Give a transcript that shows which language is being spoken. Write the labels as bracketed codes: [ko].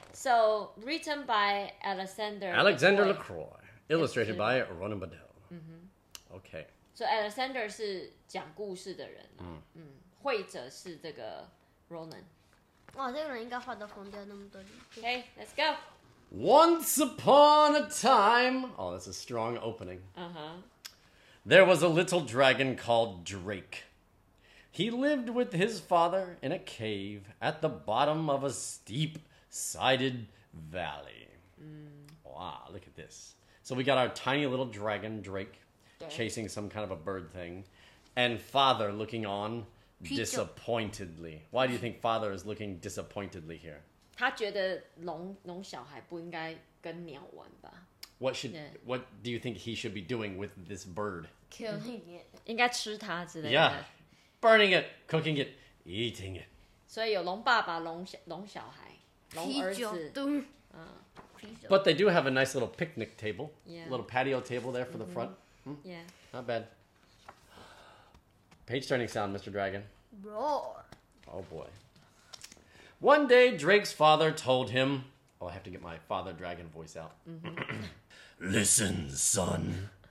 [en] So written by Alexander. Alexander LaCroix. Illustrated by Ronan Bedell.、 Mm-hmm. Okay. [zh] So Alexander 是讲故事的人、啊。嗯、 mm. 嗯，绘者是这个 Ronan。哇，这个人应该画的疯掉那么多。 [en] Okay, let's go. Once upon a time, oh, that's a strong opening. There was a little dragon called Drake. He lived with his father in a cave at the bottom of a steep-sided valley.、 Mm. Wow, look at this. So we got our tiny little dragon, Drake, chasing some kind of a bird thing. And father looking on disappointedly. Why do you think father is looking disappointedly here? [zh] 他觉得龙小孩不应该跟鸟玩吧。 [en] What do you think he should be doing with this bird? Killing it. [zh] 应该吃它之类的。 [en] Yeah, burning it, cooking it, eating it. [zh] 所以有龙爸爸、龙小孩、龙儿子。啤酒，嗯。 [en] But they do have a nice little picnic table. Yeah. Little patio table there for the front. Yeah. Not bad. Page turning sound, Mr. Dragon. Roar. Oh, boy. One day, Drake's father told him... Oh, I have to get my father dragon voice out. Listen, son.